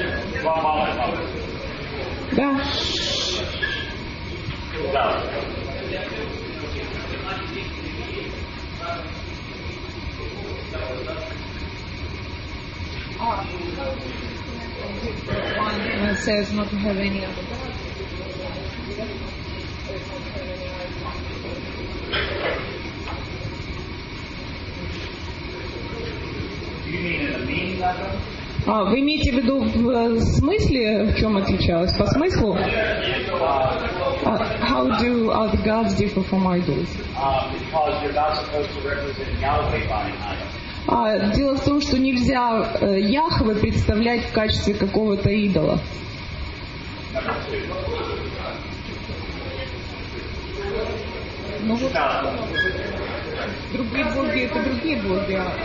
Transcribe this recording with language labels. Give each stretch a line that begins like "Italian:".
English: One says not to have any other. You mean in the meaning of it?
Russian: А, вы имеете в виду в смысле, в чем отличалось? По смыслу?
English: How do other gods differ from idols? Because you're not supposed to represent Yahweh by an idol.
Russian: Дело в том, что нельзя Яхве представлять в качестве какого-то идола. Ну вот, другие боги — это другие боги.